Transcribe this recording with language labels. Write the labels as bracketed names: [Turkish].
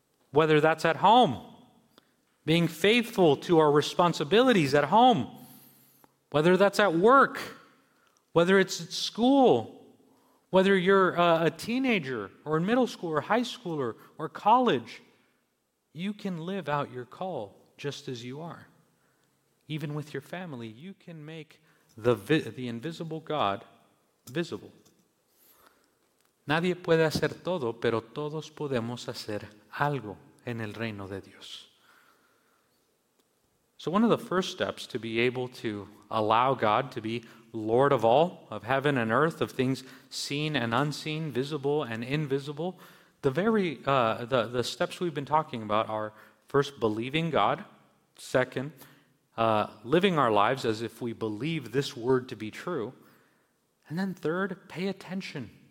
[English] Whether that's at home, being faithful to our responsibilities at home, whether that's at work, whether it's at school, whether you're a teenager or in middle school or high school or college, you can live out your call just as you are. Even with your family, you can make the invisible God visible. [Spanish] Nadie puede hacer todo, pero todos podemos hacer algo en el reino de Dios. [English] So one of the first steps to be able to allow God to be Lord of all, of heaven and earth, of things seen and unseen, visible and invisible, the steps we've been talking about are first believing God, second, living our lives as if we believe this word to be true, and then third, pay attention.